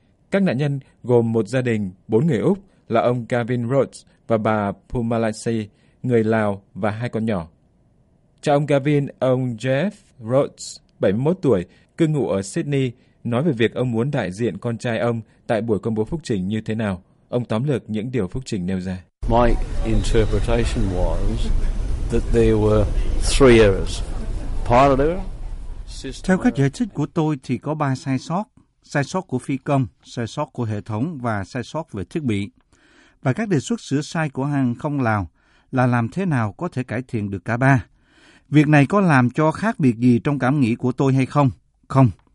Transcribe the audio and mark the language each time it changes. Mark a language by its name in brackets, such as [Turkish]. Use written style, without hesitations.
[Vietnamese] Các nạn nhân gồm một gia đình, bốn người Úc là ông Gavin Rhodes và bà Pumalasi, người Lào và hai con nhỏ. Cha ông Gavin, ông Jeff Rhodes, 71 tuổi, cư ngụ ở Sydney, nói về việc ông muốn đại diện con trai ông tại buổi công bố phúc trình như thế nào. Ông tóm lược những điều phúc trình nêu ra. [English] My interpretation was that there were three errors. Pilot error, system error. [Vietnamese] Theo cách giải thích của tôi thì có 3 sai sót. Sai sót của phi công, sai sót của hệ thống và sai sót về thiết bị. Và các đề xuất sửa sai của hàng không Lào là làm thế nào có thể cải thiện được cả 3. Việc này có làm cho khác biệt gì trong cảm nghĩ của tôi hay không? Không.